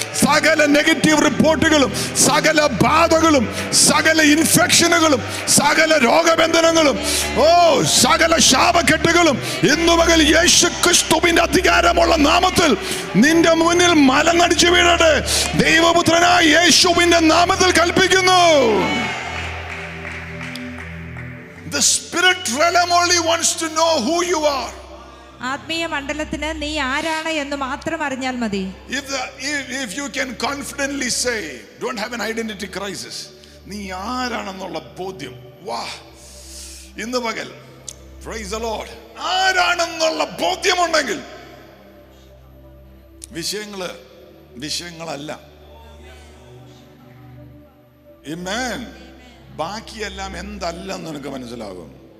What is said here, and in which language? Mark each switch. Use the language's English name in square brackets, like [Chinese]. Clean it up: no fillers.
[Malayalam] സകല നെഗറ്റീവ് റിപ്പോർട്ടുകളും സകല ബാധകളും സകല ഇൻഫെക്ഷനുകളും സകല രോഗബന്ധനങ്ങളും ഓ സകല ശാപക്കെട്ടുകളും എന്ന് പകൽ യേശു ക്രിസ്തുവിന്റെ അധികാരമുള്ള നാമത്തിൽ നിന്റെ മുന്നിൽ മലനടിച്ചു വീഴട്ടെ. ദൈവപുത്രനായ യേശുവിന്റെ നാമത്തിൽ കൽപ്പിക്കുന്നു. [English] The spirit realm only wants to know who you are. [Malayalam] ആത്മീയ മണ്ഡലത്തിനെ നീ ആരാണ് എന്ന് മാത്രം അറിഞ്ഞാൽ മതി. [English] If you can confidently say, don't have an identity crisis. [Malayalam] നീ ആരാണെന്നുള്ള ബോധ്യം. വാ, ഇന്ന് പകൽ, [English] praise the Lord, [Malayalam] ആരാണെന്നുള്ള ബോധ്യം ഉണ്ടെങ്കിൽ വിഷയങ്ങള് വിഷയങ്ങളല്ല. ആമേൻ. ബാക്കിയെല്ലാം എന്തല്ലെന്ന് എനിക്ക് മനസ്സിലാകും.